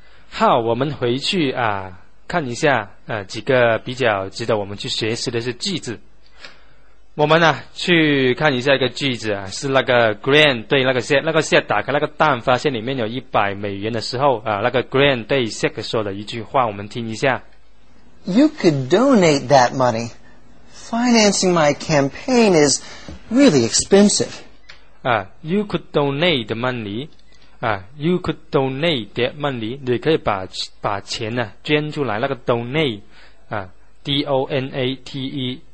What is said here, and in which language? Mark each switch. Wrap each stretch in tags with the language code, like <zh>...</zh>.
<zh>好，我们回去啊，看一下啊，几个比较值得我们去学习的是句子。我们呢、啊、去看一下一个句子啊，是那个 Grant 对那个 Zack， 那个 Zack 打开那个蛋，发现里面有$100的时候啊，那个 Grant 对 Zack 说的一句话，我们听一下。</zh> <en>You could donate that money. Financing my campaign is really expensive. 啊 ，You could donate the money. 啊 ，You could donate the money.</en> <zh>你可以把钱呢、啊、捐出来，那个 donate 啊 ，donate。</zh>